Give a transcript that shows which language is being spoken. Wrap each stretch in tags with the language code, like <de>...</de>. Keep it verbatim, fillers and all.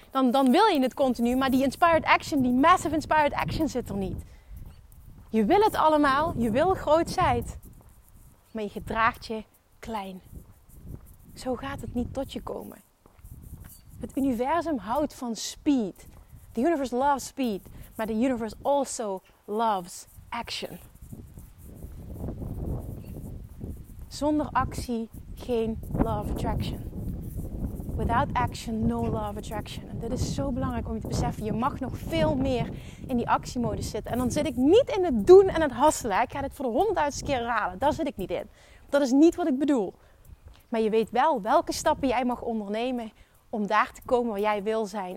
<nl>Dan, dan wil je het continu, maar die inspired action, die massive inspired action zit er niet. Je wil het allemaal, je wil groot zijn, maar je gedraagt je klein. Zo gaat het niet tot je komen. Het universum houdt van speed.</nl> <en>The universe loves speed, maar the universe also loves action.</en> <nl>Zonder actie geen law of attraction.</nl> <en>Without action, no law of attraction.</en> <nl>En dit is zo belangrijk om je te beseffen. Je mag nog veel meer in die actiemodus zitten. En dan zit ik niet in het doen en het hasselen. Ik ga dit voor de honderdduizend keer herhalen. Daar zit ik niet in. Dat is niet wat ik bedoel. Maar je weet wel welke stappen jij mag ondernemen om daar te komen waar jij wil zijn.</nl>